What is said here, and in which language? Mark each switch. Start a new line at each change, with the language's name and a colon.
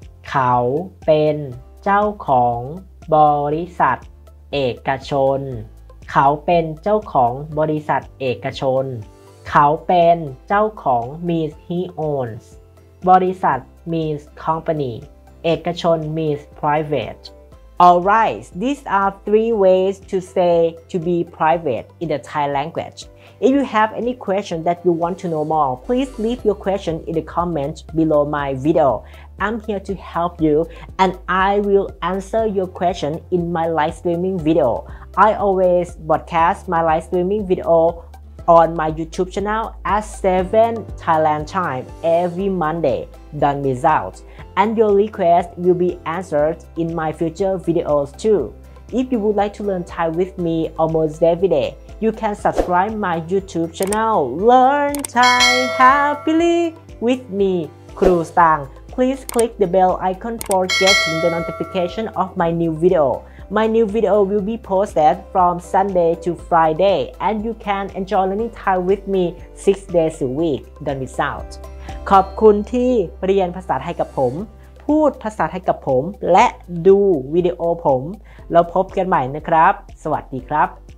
Thai: เขาเป็นเจ้าของบริษัทเอกชนเขาเป็นเจ้าของบริษัทเอกชนเขาเป็นเจ้าของ
English: means he owns
Thai: บริษัท means company เอกชน means private
English: Alright, these are three ways to say to be private in the Thai languageIf you have any question that you want to know more, please leave your question in the comments below my video. I'm here to help you and I will answer your question in my live streaming video. I always broadcast my live streaming video on my YouTube channel at 7 Thailand time every Monday. Don't miss out. And your request will be answered in my future videos too. If you would like to learn Thai with me almost every day,You can subscribe my YouTube channel Learn Thai Happily with me, Kru Sang. Please click the bell icon for getting the notification of my new video. My new video will be posted from Sunday to Friday, and you can enjoy learning Thai with me 6 days a week. Don't miss out.
Thai: ขอบคุณที่เรียนภาษาไทยกับผมพูดภาษาไทยกับผมและดูวิดีโอผมเราพบกันใหม่นะครับสวัสดีครับ